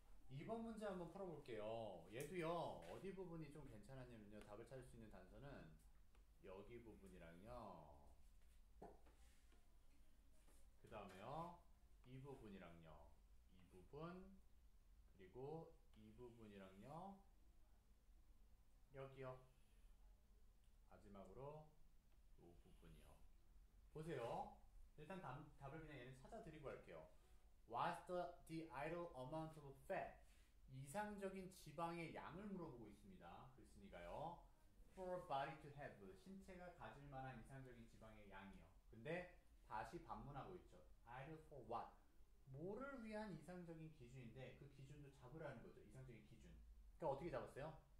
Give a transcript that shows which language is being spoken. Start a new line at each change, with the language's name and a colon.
Korean: 2번 문제 한번 풀어볼게요. 얘도요, 어디 부분이 좀 괜찮았냐면요, 답을 찾을 수 있는 단서는 여기 부분이랑요, 그 다음에요, 이 부분이랑요, 이 부분, 그리고 이 부분이랑요, 여기요, 마지막으로 이 부분이요. 보세요. 일단 답을 그냥 얘는 찾아드리고 할게요.
English: What's the ideal amount of fat?
Korean: 이상적인 지방의 양을 물어보고 있습니다. 글쓴이가요. For a body to have. 신체가 가질 만한 이상적인 지방의 양이요. 근데 다시 반문하고 있죠.
English: Ideal for what?
Korean: 뭐를 위한 이상적인 기준인데 그 기준도 잡으라는 거죠. 이상적인 기준. 그러니까 어떻게 잡았어요?